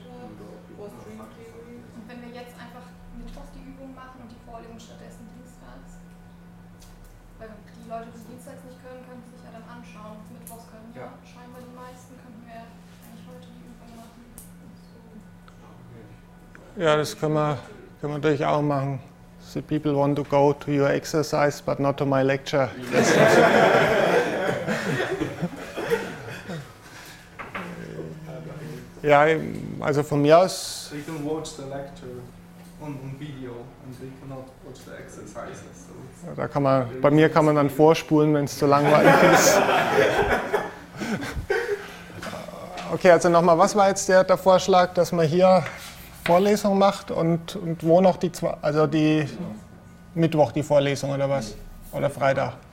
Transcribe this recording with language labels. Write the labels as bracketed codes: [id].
[de] Und wenn wir jetzt einfach Mittwoch die Übung machen und die Vorlesung stattdessen dienstags? Weil die Leute, die dienstags nicht können, können sich ja dann anschauen. Mittwochs können ja scheinbar die meisten, könnten wir eigentlich heute die Übung machen. So. Ja, das können wir natürlich auch machen. [en] The people want to go to your exercise, but not to my lecture. [de] Ja, also von mir aus. [en] They can watch the lecture on video and they cannot watch the exercises. [de] So ja, da kann man, bei mir kann man dann vorspulen, wenn es zu langweilig ist. Okay, also nochmal, was war jetzt der Vorschlag, dass man hier Vorlesung macht und wo noch die zwei, also die ja. Mittwoch die Vorlesung oder was? Oder Freitag?